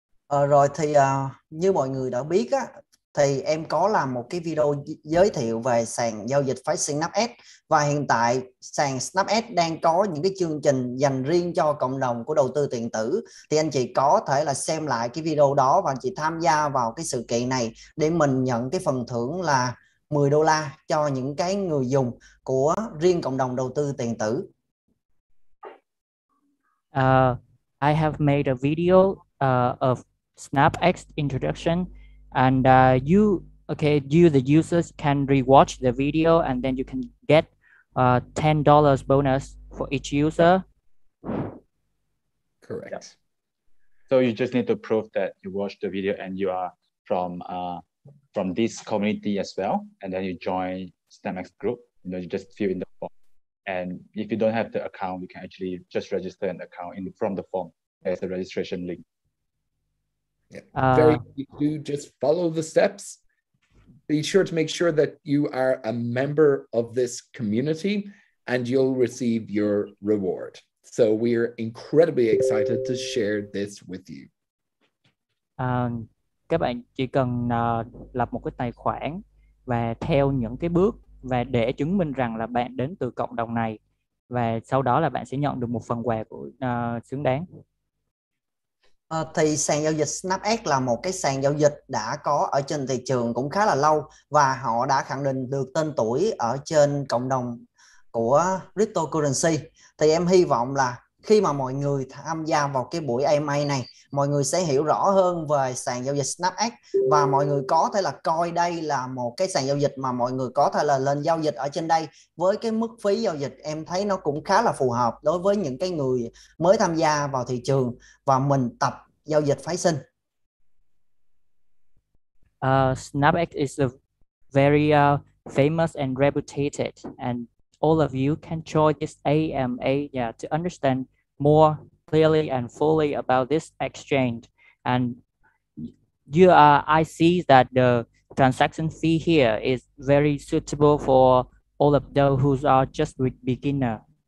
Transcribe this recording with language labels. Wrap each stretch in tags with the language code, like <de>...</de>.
<vi>Rồi thì như mọi người đã biết á, thì em có làm một cái video giới thiệu về sàn giao dịch phái sinh SnapX, và hiện tại sàn SnapX đang có những cái chương trình dành riêng cho cộng đồng của Đầu tư Tiền tử. Thì anh chị có thể là xem lại cái video đó và anh chị tham gia vào cái sự kiện này để mình nhận cái phần thưởng là $10 cho những cái người dùng của riêng cộng đồng Đầu tư Tiền tử.</vi> <en>I have made a video of SnapX introduction, and you the users can rewatch the video, and then you can get $10 bonus for each user. Correct. Yeah. So you just need to prove that you watched the video and you are from this community as well, and then you join SnapX group. You know, you just fill in the form, and if you don't have the account, you can actually just register an account from the form as a registration link. Yeah. Very easy to do. Just follow the steps. Be sure to make sure that you are a member of this community and you'll receive your reward. So we are incredibly excited to share this with you.</en> <vi>Các bạn chỉ cần lập một cái tài khoản và theo những cái bước và để chứng minh rằng là bạn đến từ cộng đồng này, và sau đó là bạn sẽ nhận được một phần quà của xứng đáng. Thì sàn giao dịch SnapX là một cái sàn giao dịch đã có ở trên thị trường cũng khá là lâu, và họ đã khẳng định được tên tuổi ở trên cộng đồng của cryptocurrency. Thì em hy vọng là khi mà mọi người tham gia vào cái buổi AMA này, mọi người sẽ hiểu rõ hơn về sàn giao dịch SnapX, và mọi người có thể là coi đây là một cái sàn giao dịch mà mọi người có thể là lên giao dịch ở trên đây. Với cái mức phí giao dịch em thấy nó cũng khá là phù hợp đối với những cái người mới tham gia vào thị trường, và mình tập giao dịch phái sinh.</vi> <en>SnapX is a very famous and reputed, and all of you can join this AMA to understand more clearly and fully about this exchange. And you I see that the transaction fee here is very suitable for all of those who are just beginner.</en>